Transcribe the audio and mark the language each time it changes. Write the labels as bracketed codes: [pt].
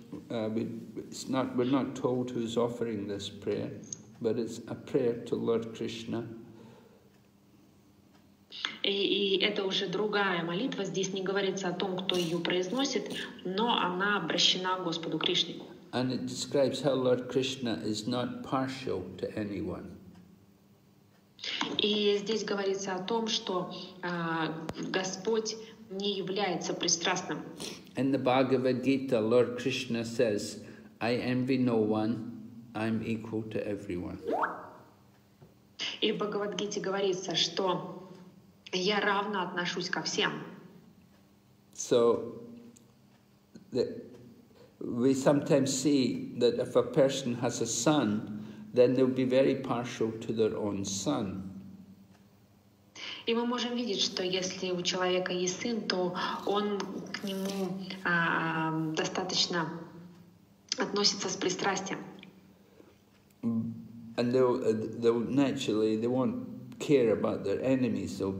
[en] We're not told who's offering this prayer, but it's a prayer to Lord Krishna. [ru] И это уже другая молитва. Здесь не говорится о том, кто ее произносит, но она обращена к Господу Кришне. [en] And it describes how Lord Krishna is not partial to anyone. [ru] И здесь говорится о том, что Господь не является пристрастным. [en] In the Bhagavad Gita, Lord Krishna says, I envy no one, I'm equal to everyone. [ru] И в Бхагавад-гите говорится, что я равно отношусь ко всем. [en] So, we sometimes see that if a person has a son, then they'll be very partial to their own son. [ru] И мы можем видеть, что если у человека есть сын, то он к нему достаточно относится с пристрастием. [en] And they'll naturally they won't care about their enemies.